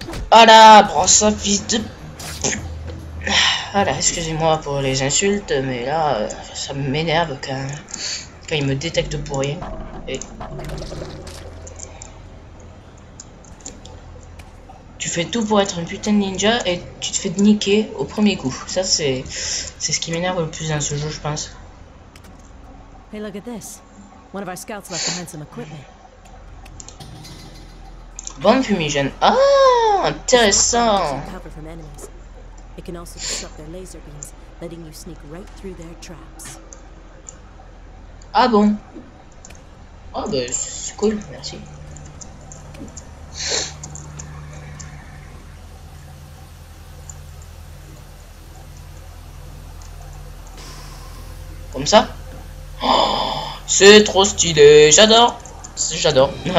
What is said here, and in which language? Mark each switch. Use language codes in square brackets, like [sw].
[fr] Voilà, prends ça, fils de... Voilà, excusez-moi pour les insultes, mais là, ça m'énerve quand ils me détectent pour rien. Et... Tu fais tout pour être un putain de ninja et tu te fais niquer au premier coup. Ça c'est ce qui m'énerve le plus dans ce jeu, je pense. [en] Hey, look at this. One of our scouts left behind some equipment. [fr] Bombe fumigène. Ah, intéressant. [en] It can also disrupt their laser beams, letting you sneak right through their traps. [fr] Ah bon. Ah oh, bah c'est cool, merci. Comme ça? Oh, c'est trop stylé, j'adore. J'adore.